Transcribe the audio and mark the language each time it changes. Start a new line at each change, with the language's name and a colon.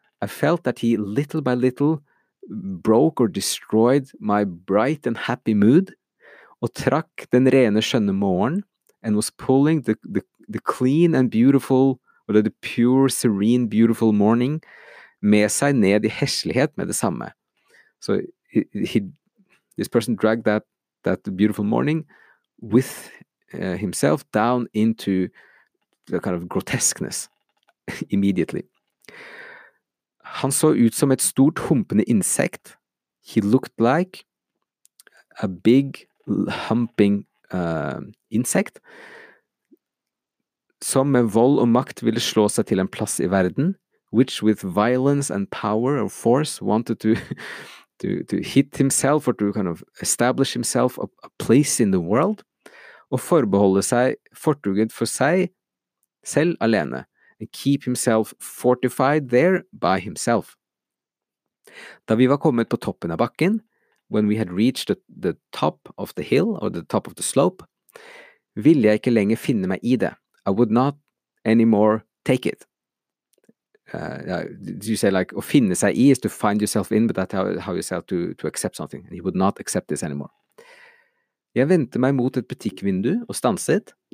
English: I felt that he little by little broke or destroyed my bright and happy mood,
Norwegian: og trakk den rene skjønne morgen,
English: and was pulling the clean and beautiful, or the pure, serene, beautiful morning,
Norwegian: med seg ned I heslighet med det samme.
English: So this person dragged that beautiful morning with himself down into the kind of grotesqueness immediately.
Norwegian: Han så ut som et stort humpende insekt.
English: He looked like a big humping insect
Norwegian: som med vold og makt ville slå seg til en plass I verden,
English: which with violence and power or force wanted to hit himself or to kind of establish himself a place in the world.
Norwegian: Og forbeholde seg fortuget for seg selv alene,
English: and keep himself fortified there by himself.
Norwegian: Da vi var kommet på toppen av bakken,
English: when we had reached the top of the hill, or the top of the slope,
Norwegian: ville jeg ikke lenger finne meg I det.
English: I would not anymore take it. You say like,
Norwegian: å finne seg I
English: is to find yourself in, but that's how you say to accept something. He would not accept this anymore.
Norwegian: Jeg vendte meg mot et butikkvindu og stanset.